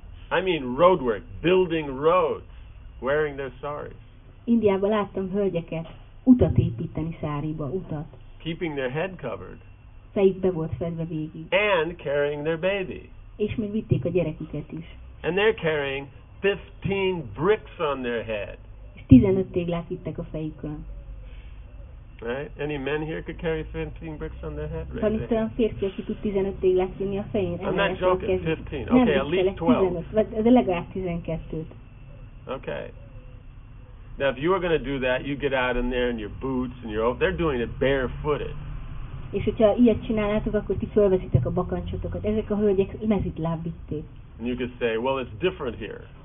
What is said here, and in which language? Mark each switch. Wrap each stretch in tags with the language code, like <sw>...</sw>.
<en>I mean road work, building roads, wearing their saris.</en> <hu>Indiában láttam hölgyeket utat építeni száriba, utat.</hu> <en>Keeping their head covered.</en> <hu>Fejükbe volt fedve végig.</hu> <en>And carrying their baby.</en> <hu>És még vitték a gyereküket is.</hu> <en>And they're carrying 15 bricks on their head.</en> <hu>És 15 téglát vittek a fejükön.</hu> <en>Right? Any men here could carry 15 bricks on their head?</en> <hu>Van itt olyan férfi, aki tud 15 téglát vinni a fején?</hu> <en>I'm not joking, 15. Okay, at least 12.</en> <hu>De legalább 12-t.</hu> <en>Okay. Now, if you were going to do that, you get out in there in your boots and your... They're doing it barefooted.</en> <hu>És hogyha ilyet csinálnátok, akkor ti fölveszitek a bakancsotokat. Ezek a hölgyek mezítláb vitték.</hu> <en>And you could say, well, it's different here.</en>